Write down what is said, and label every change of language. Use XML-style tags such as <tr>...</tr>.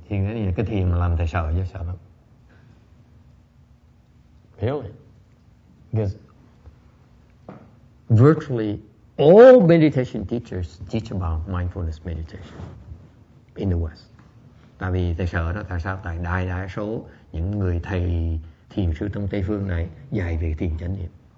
<vi>Thiền chánh niệm là cái thiền mà làm thầy sợ chứ sợ lắm.</vi> <en>Really? Because virtually all meditation teachers teach about mindfulness meditation in the West.</en> <vi>Tại vì thầy sợ đó, tại sao? Tại đại đa số những người thầy thiền sư trong Tây Phương này dạy về thiền chánh niệm.</vi>